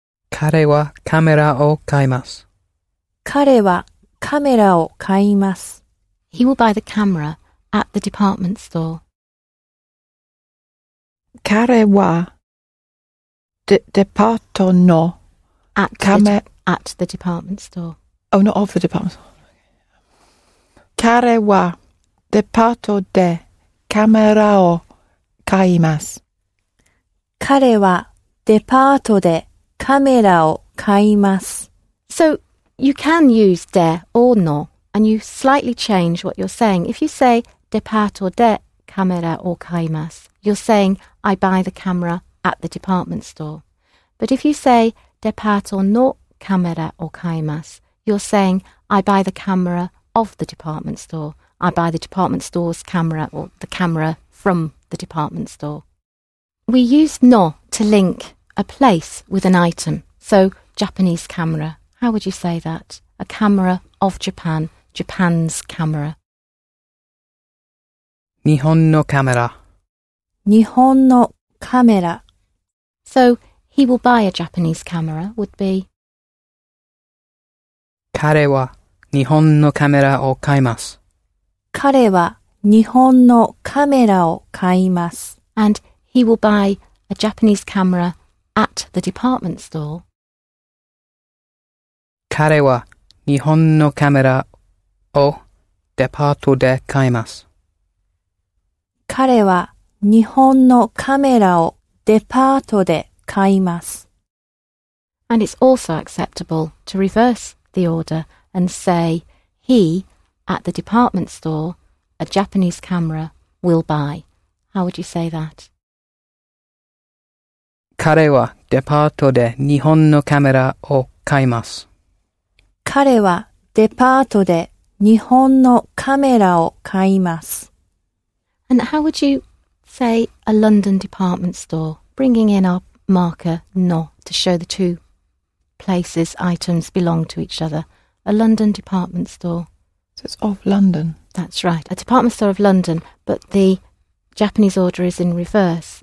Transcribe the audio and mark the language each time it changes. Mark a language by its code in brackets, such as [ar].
[ja] 彼はカメラを買います。彼はカメラを買います。 [en] He will buy the camera at the department store. [ja] 彼はデパートの [en] At the department store. Oh, not of the department store. [ja] 彼はデパートでカメラを買います。彼はデパートでカメラを買います。 [en] So, you can use de or no, and you slightly change what you're saying. If you say [ja] デパートでカメラを買います。 [en] You're saying, I buy the camera at the department store. But if you say, [ja] デパートのカメラを買います, [en] you're saying, I buy the camera of the department store. I buy the department store's camera, or the camera from the department store. We use の to link a place with an item. So, Japanese camera. How would you say that? A camera of Japan, Japan's camera. [ja] 日本のカメラ。日本のカメラ。 [en] So, he will buy a Japanese camera would be? [ja] 彼は日本のカメラを買います。彼は日本のカメラを買います。 [en] And he will buy a Japanese camera at the department store. [ja] 彼は日本のカメラをデパートで買います。彼は日本のカメラをデパートで買います。 [en] And it's also acceptable to reverse the order and say, he, at the department store, a Japanese camera, will buy. How would you say that? [ja] 彼はデパートで日本のカメラを買います。彼はデパートで日本のカメラを買います。 [en] And how would you say a London department store, bringing in our marker no to show the two places items belong to each other? A London department store. So it's of London. That's right. A department store of London, but the Japanese order is in reverse.